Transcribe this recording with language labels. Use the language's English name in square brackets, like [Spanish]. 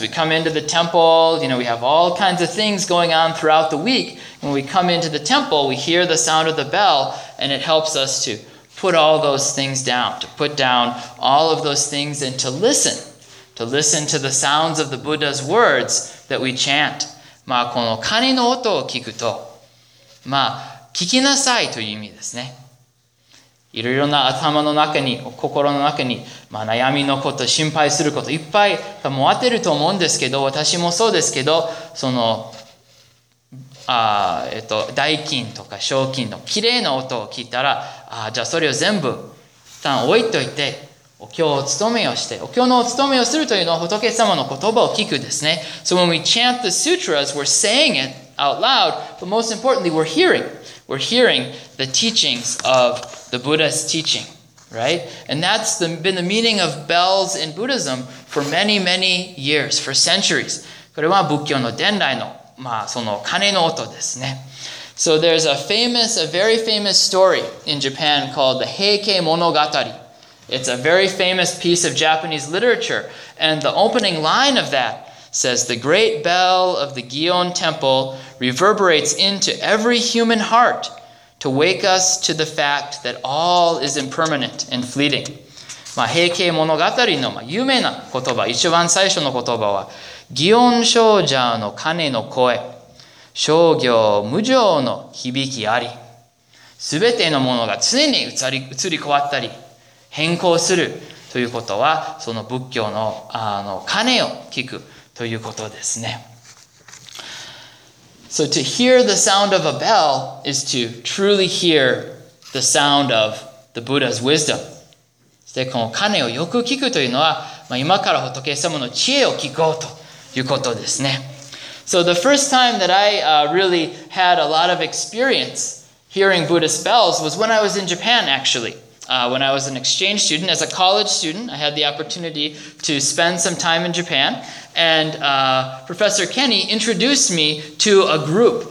[English] We come into the temple, you know, we have all kinds of things going on throughout the week. When we come into the temple, we hear the sound of the bell, and it helps us to put all those things down, to put down all of those things and to listen to the sounds of the Buddha's words that we chant. [Japanese] まあ、この鐘の音を聞くと、まあ、聞きなさいという意味ですね。いろいろな頭の中に、心の中に、まあ、悩みのこと、心配すること、いっぱい多分あってると思うんですけど、私もそうですけど、その、代金とか賞金の綺麗な音を聞いたら、じゃあそれを全部一旦置いといて、お経を務めをして、お経のお務めをするというのは仏様の言葉を聞くですね。 [English] So when we chant the sutras, we're saying it out loud, but most importantly, we're hearing. We're hearing the teachings of the Buddha's teaching, right? And that's the, been the meaning of bells in Buddhism for many, many years, for centuries. [Japanese] これは仏教の伝来の、まあ、その鐘の音ですね。 [English] So there's a very famous story in Japan called the Heike Monogatari. It's a very famous piece of Japanese literature. And the opening line of that says, the great bell of the Gion Temple reverberates into every human heart to wake us to the fact that all is impermanent and fleeting. [Japanese] まあ、平家物語の、まあ、有名な言葉、一番最初の言葉は、祇園精舎の鐘の声、商業無常の響きあり、すべてのものが常に移り変わったり、変更するということは、その仏教の、あの鐘を聞くということですね。 [English] So to hear the sound of a bell is to truly hear the sound of the Buddha's wisdom. [Japanese] で、この鐘をよく聞くというのは、まあ、今から仏様の知恵を聞こうということですね。 [English] So the first time that I really had a lot of experience hearing Buddhist bells was when I was in Japan, actually. When I was an exchange student, as a college student, I had the opportunity to spend some time in Japan. And Professor Kenny introduced me to a group.